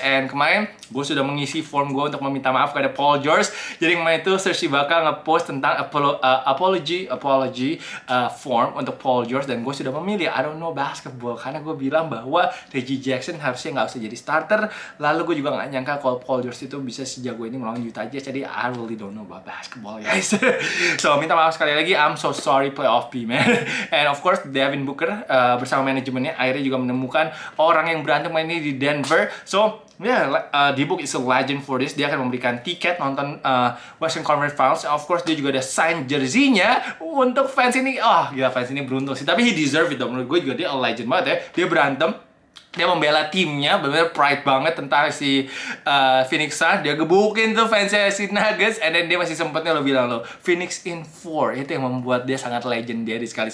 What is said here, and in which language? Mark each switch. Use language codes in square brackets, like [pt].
[id] And kemarin gue sudah mengisi form gue untuk meminta maaf kepada Paul George. Jadi kemarin itu Serge Ibaka ngepost tentang apology form untuk Paul George, dan gue sudah memilih [en] I don't know basketball, [id] karena gue bilang bahwa Reggie Jackson harusnya nggak usah jadi starter. Lalu gue juga nggak nyangka kalau Paul George itu bisa sejago ini melawan Utah Jazz. [en] Jadi I really don't know about basketball guys. So [id] minta maaf sekali lagi, [en] I'm so sorry playoff P man. [id] And of course Devin Booker bersama manajemennya akhirnya juga menemukan orang yang berantem ini di Denver. [en] So yeah, D-Book is a legend for this. [id] Dia akan memberikan tiket nonton Western Conference Finals. Of course, dia juga ada sign jersey-nya untuk fans ini. Oh, gila, fans ini beruntung sih. Tapi [en] he deserve it, though. [id] Menurut gue juga dia a legend banget ya. Dia berantem, dia membela timnya, benar-benar pride banget tentang si Phoenix Suns. Dia gebukin tuh fansnya si Nuggets, and then dia masih sempetnya lo bilang lo Phoenix in 4, itu yang membuat dia sangat legendary sekali.